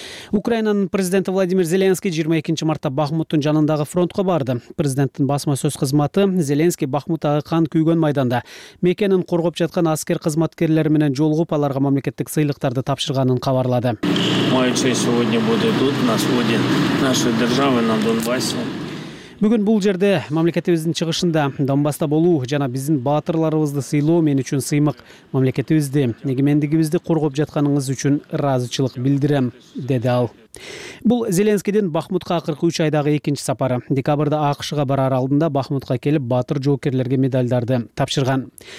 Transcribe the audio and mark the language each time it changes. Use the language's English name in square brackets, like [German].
[Kyrgyz] Украинанын президенти Владимир Зеленский 22 мартта Бахмуттун жанындагы фронтко барды. Президенттин басма сөз кызматы Зеленский Бахмуттагы кан күйгөн майданда мекенин коргоп жаткан аскер кызматкерлери менен жолугуп, аларга мамлекеттик сыйлыктарды тапшырганын кабарлады. [Russian] Моя честь сегодня будет тут на своде нашей державы на Донбассе. [Kyrgyz] Бүгүн бул жерде мамлекетибиздин чыгышында Донбасста болуу жана биздин баатырларыбызды сыйлоо мен үчүн сыймык. Мамлекетибизди, эгемендигибизди коргоп жатканыңыз үчүн ыраазычылык билдирем, деди ал. Бул Зеленскийдин Бахмутка 43 айдагы экинчи сапары. Декабрда АКШга барар алдында Бахмутка келип, баатыр жоокерлерге медальдарды тапшырган.